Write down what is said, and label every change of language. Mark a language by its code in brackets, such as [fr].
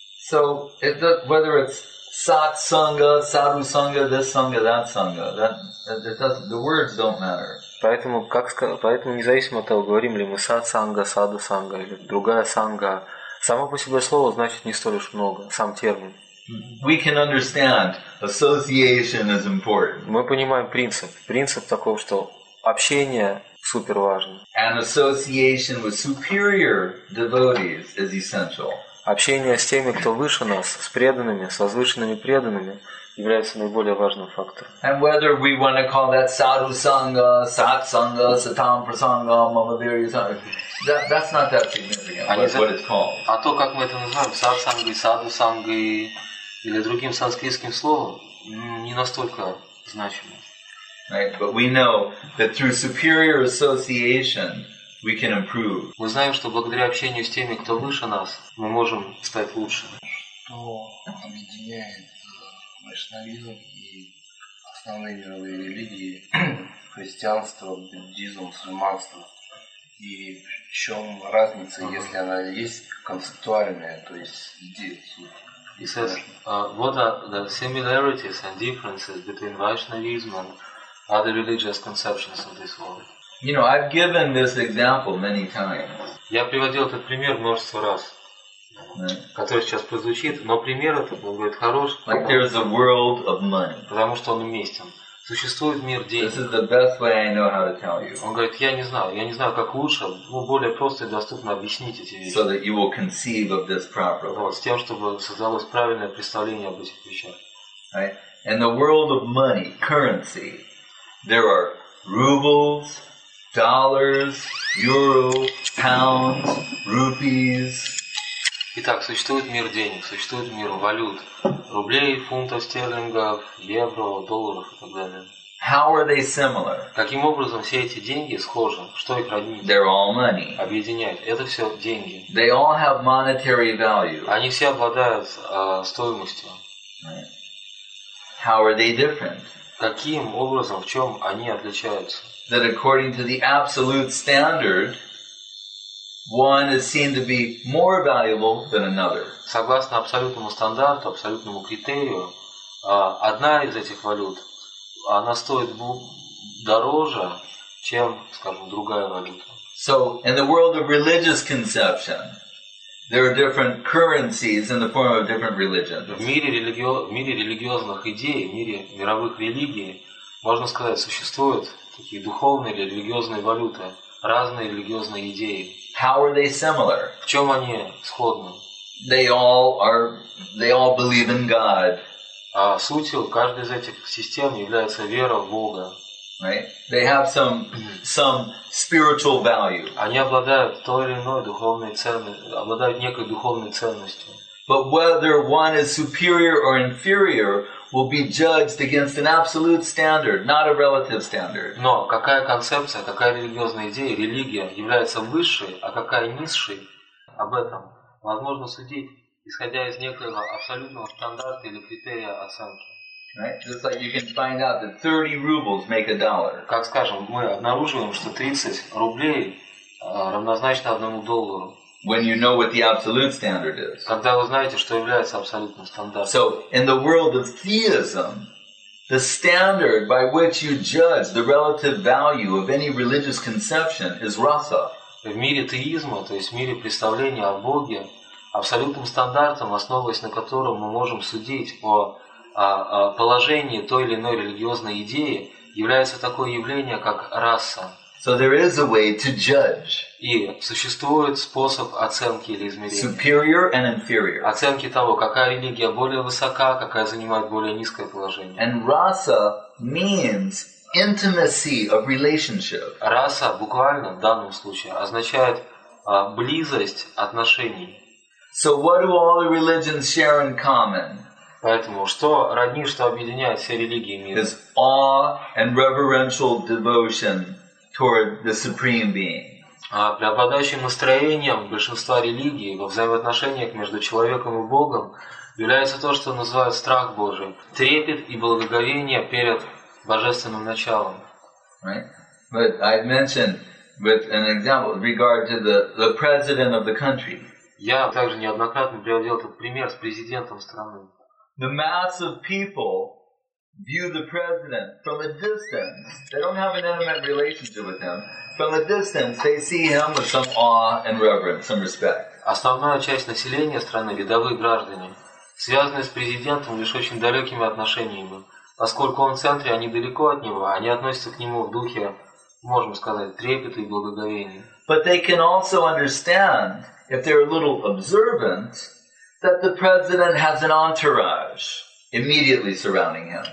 [en] So whether it's sat sangha, sadhu sangha, this sangha, that sangha, the words don't matter. [ru] Поэтому независимо от того, говорим ли мы сат санга, саду санга или другая санга, само по себе слово значит не столь уж много, сам термин. [en] We can understand association is important. [ru] Мы понимаем принцип. Принцип таков, что общение супер важно. [en] And association with superior devotees is essential. [ru] Общение с теми, кто выше нас, с преданными, с возвышенными преданными, является наиболее важным фактором. [en] And whether we want to call that sadhu sangha, sat sangha, satam prasanga, mamadiri sangha, that's not that significant. What it's called. [ru] А то, как мы это называем, сат санга и саду санга и или другим санскритским словом, не настолько значимо. [en] Right, but we know that through superior association we can improve. [ru] Мы знаем, что благодаря общению с теми, кто выше нас, мы можем стать лучше. Что объединяет вайшнавизм и основные мировые религии, христианство, буддизм, мусульманство? И в чем разница, если она есть концептуальная, то есть идея, суть? [en] He says, what are the similarities and differences between Vaishnavism and other religious conceptions of this world? You know, I've given this example many times. [ru] Я приводил этот пример множество раз, который сейчас прозвучит, но пример этот будет хорош. [en] Like there's a world of money. [ru] Потому что он уместен. Существует мир денег. [en] This is the best way I know how to tell you. [ru] Он говорит, я не знаю, как лучше, но более просто и доступно объяснить эти вещи. [en] So that you will conceive of this properly. [ru] Вот, с тем, чтобы создалось правильное представление об этих вещах. [en] Right? And the world of money, currency, there are rubles, dollars, euro, pounds, rupees. [ru] Итак, существует мир денег, существует мир валют, рублей, фунтов стерлингов, евро, долларов и так далее. [en] How are they similar? [ru] Каким образом все эти деньги схожи? Что их роднит? [en] They're all money. [ru] Объединяет. Это все деньги. [en] They all have monetary value. [ru] Они все обладают стоимостью. [en] Right. How are they different? [ru] Каким образом, в чем они отличаются? [en] That according to the absolute standard, one is seen to be more valuable than another. [ru] Согласно абсолютному стандарту, абсолютному критерию, одна из этих валют, она стоит дороже, чем, скажем, другая валюта. [en] So, in the world of religious conception, there are different currencies in the form of different religions. [ru] В мире религиозных идей, в мире мировых религий, можно сказать, существуют такие духовные или религиозные валюты, разные религиозные идеи. [en] How are they similar? [ru] В чем они сходны? [en] They all believe in God. [ru] А суть у каждой из этих систем является вера в Бога. [en] Right? They have some spiritual value. [ru] Они обладают той или иной духовной ценностью, обладают некой духовной ценностью. [en] But whether one is superior or inferior will be judged against an absolute standard, not a relative standard. [ru] Но какая концепция, какая религиозная идея, религия является высшей, а какая низшей, об этом возможно судить, исходя из некоего абсолютного стандарта или критерия оценки. [en] Right? Just like you can find out that 30 rubles make a dollar. [ru] Как скажем, мы обнаруживаем, что 30 рублей равнозначно 1 доллару. [en] When you know what the absolute standard is. [ru] Когда вы знаете, что является абсолютным стандартом. [en] So, in the world of theism, the standard by which you judge the relative value of any religious conception is rasa. [ru] В мире теизма, то есть в мире представления о Боге, абсолютным стандартом, основываясь на котором мы можем судить о положении той или иной религиозной идеи, является такое явление, как раса. [en] So there is a way to judge. [ru] И существует способ оценки или измерения. [en] Superior and inferior. [ru] Оценки того, какая религия более высока, какая занимает более низкое положение. [en] And rasa means intimacy of relationship. [ru] Раса буквально в данном случае означает близость отношений. [en] So what do all the religions share in common? [ru] Поэтому что роднит, что объединяет все религии мира? [en] Is awe and reverential devotion toward the supreme being. [ru] Преобладающим настроением большинства религий во взаимоотношениях между человеком и Богом является то, что называют страх Божий, трепет и благоговение перед божественным началом. [en] Right? But I've mentioned with an example regard to the president of the country. [ru] Я также неоднократно приводил этот пример с президентом страны. [en] The mass of people view the president from a distance. They don't have an intimate relationship with him. From a distance, they see him with some awe and reverence, some respect. [ru] Основная часть населения страны, рядовые граждане, связанные с президентом лишь очень далекими отношениями, поскольку он в центре, они далеко от него, они относятся к нему в духе, можем сказать, трепета и благоговения. [en] But they can also understand, if they're a little observant, that the president has an entourage immediately surrounding him.